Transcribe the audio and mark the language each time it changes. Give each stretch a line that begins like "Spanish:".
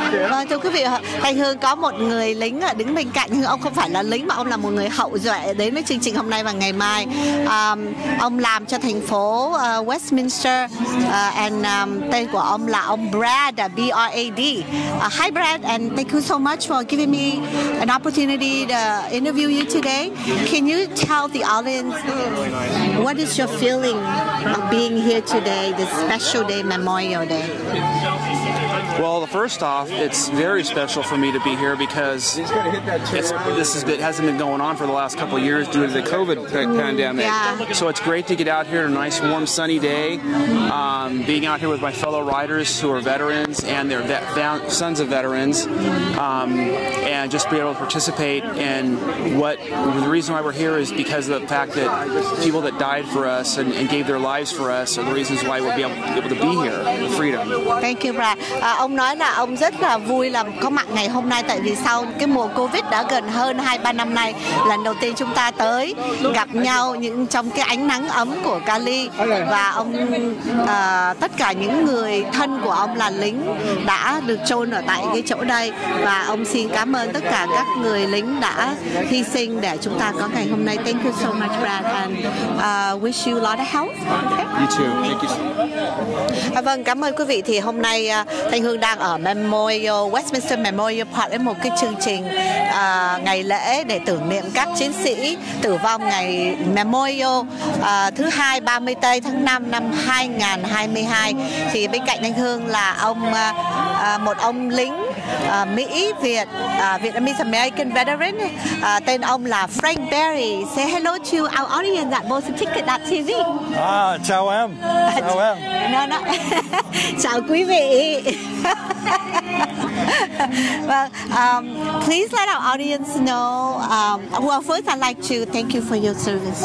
Vietnamese: Vâng, thưa quý vị, Thanh Hương có một người lính đứng bên cạnh, nhưng ông không phải là lính mà ông là một người hậu duệ đến với chương trình hôm nay và ngày mai. Ông làm cho thành phố Westminster, tên của ông là ông Brad, B-R-A-D.
English: Hi Brad, and thank you so much for giving me an opportunity to interview you today. Can you tell the audience what is your feeling of being here today, this special day, Memorial Day? Well, first off, it's very special for me to be here because this hasn't been going on for the last couple of years due to the COVID pandemic. Yeah. So it's great to get out here on a nice, warm, sunny day, being out here with my fellow riders who are veterans and their sons of veterans, and just be able to participate. And the reason why we're here is because of the fact that people that died for us and gave their lives for us are the reasons why we'll be able to be here in freedom. Thank you, Brad.
Vietnamese: Ông nói là ông rất là vui là có mặt ngày hôm nay, tại vì sau cái mùa Covid đã gần hơn 2-3 năm nay, lần đầu tiên chúng ta tới gặp nhau những trong cái ánh nắng ấm của Cali. Và ông tất cả những người thân của ông là lính đã được chôn ở tại cái chỗ đây, và ông xin cảm ơn ơn tất cả các người lính đã hy sinh để chúng ta có ngày hôm nay.
English: Thank you so much, Brad, and wish you a lot of health. Okay? You too. Thank you.
Vietnamese: Vâng, cảm ơn quý vị. Thì hôm nay Thanh Hương đang ở Memorial, Westminster Memorial Park, với một cái chương trình ngày lễ để tưởng niệm các chiến sĩ tử vong ngày Memorial thứ hai 30 Tây tháng 5 năm 2022. Thì bên cạnh Thanh Hương là ông một ông lính Mỹ Việt,
English: Vietnamese American veteran,
Vietnamese: tên ông là Frank Berry.
English: Say hello to our audience at BolsaTicket.tv.
Vietnamese: Chào em. Chào em.
English: No.
Vietnamese: Chào quý vị.
English: Well, please let our audience know. First, I'd like to thank you for your service.